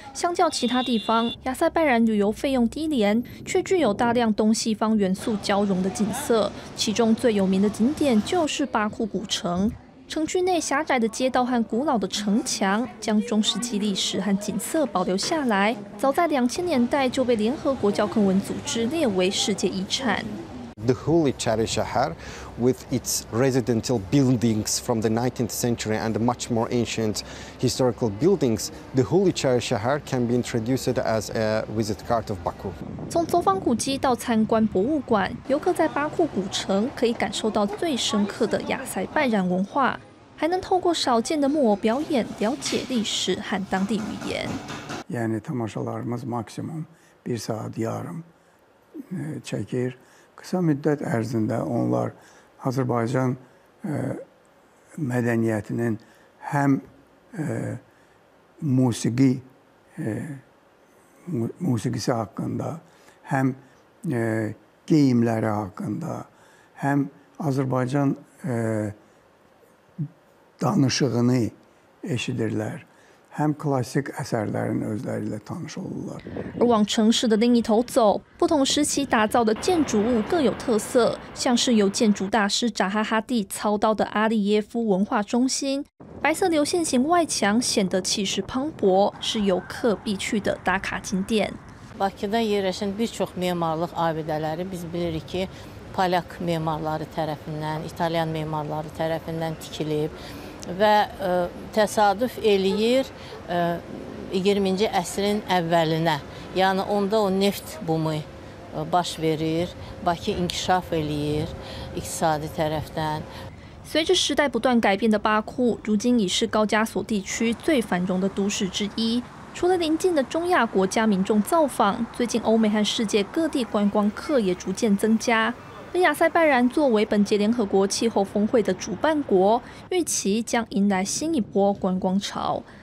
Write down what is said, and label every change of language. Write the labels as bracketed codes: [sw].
[zh] 相较其他地方，亚塞拜然旅游费用低廉，却具有大量东西方元素交融的景色。其中最有名的景点就是巴库古城，城区内狭窄的街道和古老的城墙将中世纪历史和景色保留下来，早在2000年代就被联合国教科文组织列为世界遗产。 [en] The Huli Chari Shahar, with its residential buildings from the 19th century and much more ancient historical buildings, the Huli Chari Shahar can be introduced as a visit card of Baku. [zh] 从走访古迹到参观博物馆，游客在巴库古城可以感受到最深刻的亚塞拜然文化。还能透过少见的木偶表演了解历史和当地语言。 [az] Yani tamaşalarımız maksimum bir saat yarım çekir. Kısa müddet ərzində onlar Azərbaycan mədəniyyətinin həm musiqi musiqisi haqqında, həm geyimləri haqqında, həm Azərbaycan danışığını eşidirlər. Həm klassik əsərlərin özləri ilə tanış olurlar. [zh] 而往城市的另一头走，不同时期打造的建筑物各有特色，像是由建筑大师扎哈哈蒂操刀的阿利耶夫文化中心，白色流线型外墙显得气势磅礴，是游客必去的打卡景点。 [az] Bakıda yerləşən bir çox memarlıq abidələri biz bilirik ki, polyak memarları tərəfindən, italyan memarları tərəfindən tikilib. Və təsadüf eləyir 20-ci əsrin əvvəlinə. Yəni onda o neft bumu baş verir, Bakı inkişaf eləyir iqtisadi tərəfdən. [zh] 随着时代不断改变的巴库，如今已是高加索地区最繁荣的都市之一。除了邻近的中亚国家民众造访，最近欧美和世界各地观光客也逐渐增加。而亚塞拜然作为本届联合国气候峰会的主办国，预期将迎来新一波观光潮。